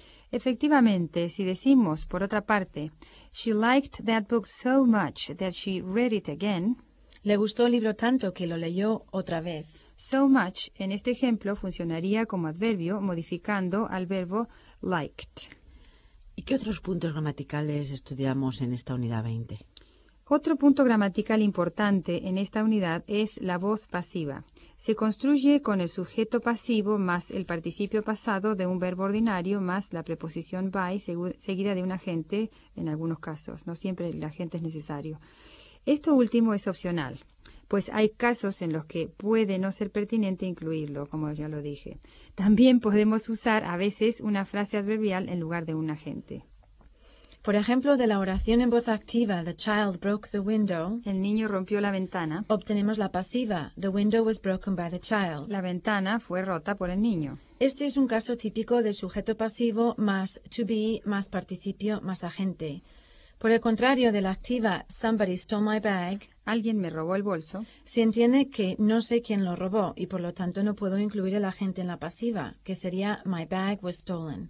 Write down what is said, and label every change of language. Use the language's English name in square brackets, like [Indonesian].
[Spanish] Efectivamente, si decimos, por otra parte, [English] she liked that book so much that she read it again. [Spanish] Le gustó el libro tanto que lo leyó otra vez. [English] So much, [Spanish] en este ejemplo, funcionaría como adverbio modificando al verbo liked. ¿Y qué otros puntos gramaticales estudiamos en esta unidad 20? Otro punto gramatical importante en esta unidad es la voz pasiva. Se construye con el sujeto pasivo más el participio pasado de un verbo ordinario más la preposición by seguida de un agente, en algunos casos. No siempre el agente es necesario. Esto último es opcional, pues hay casos en los que puede no ser pertinente incluirlo, como ya lo dije. También podemos usar a veces una frase adverbial en lugar de un agente. Por ejemplo, de la oración en voz activa, [English] the child broke the window, [Spanish] el niño rompió la ventana, obtenemos la pasiva, [English] the window was broken by the child, [Spanish] la ventana fue rota por el niño. Este es un caso típico de sujeto pasivo más to be más participio más agente. Por el contrario, de la activa, [English] somebody stole my bag, [Spanish] alguien me robó el bolso, se entiende que no sé quién lo robó y por lo tanto no puedo incluir el agente en la pasiva, que sería [English] my bag was stolen,